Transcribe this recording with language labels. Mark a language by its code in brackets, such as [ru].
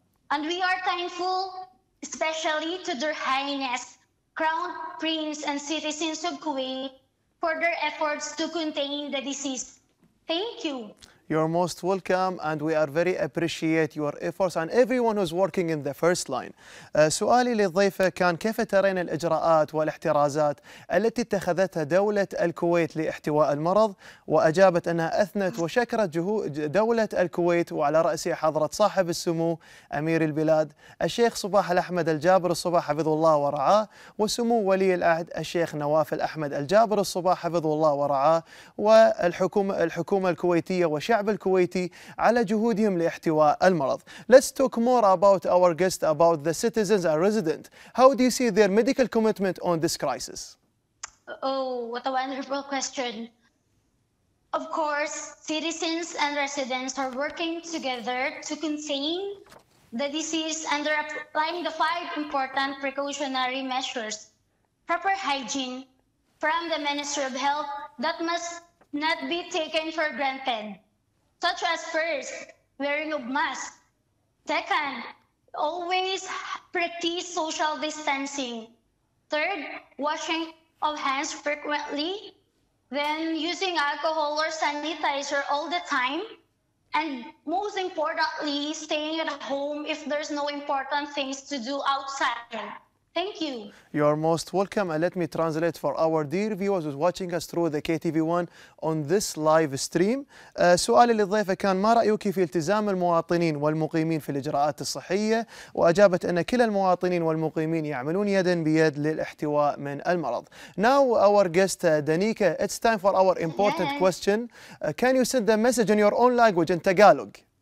[en] And we are thankful, especially to Their Highness, Crown Prince and citizens of Kuwait, for their efforts to contain the disease. Thank you. You're most welcome, and we are very appreciate your efforts and everyone who's working in the first line. [ar] سؤالي للضيفة كان كيف ترين الإجراءات والاحترازات التي اتخذتها دولة الكويت لاحتواء المرض؟ وأجابت أنها أثنت وشكرت دولة الكويت وعلى رأسها حضرة صاحب السمو أمير البلاد الشيخ صباح الأحمد الجابر الصباح حفظه الله ورعاه وسمو ولي العهد الشيخ نواف الأحمد الجابر الصباح حفظه الله ورعاه والحكومة الكويتية وشيخ الشعب الكويتي على جهودهم لاحتواء المرض. [en] Let's talk more about our guest, about the citizens and residents. How do you see their medical commitment on this crisis? Oh, what a wonderful question. Of course, citizens and residents are working together to contain the disease and they're applying the five important precautionary measures. Proper hygiene from the Ministry of Health that must not be taken for granted. Such as first, wearing of mask. Second, always practice social distancing. Third, washing of hands frequently. Then using alcohol or sanitizer all the time. And most importantly, staying at home if there's no important things to do outside. Thank you. You are most welcome. And let me translate for our dear viewers who's watching us through the KTV1 on this live stream. [ar] سؤالي للضيفة كان ما رأيك في التزام المواطنين والمقيمين في الإجراءات الصحية؟ وأجابت أن كل المواطنين والمقيمين يعملون يدا بيد للاحتواء من المرض. [en] Now our guest Danika, it's time for our important question. Can you send a message in your own language in Tagalog?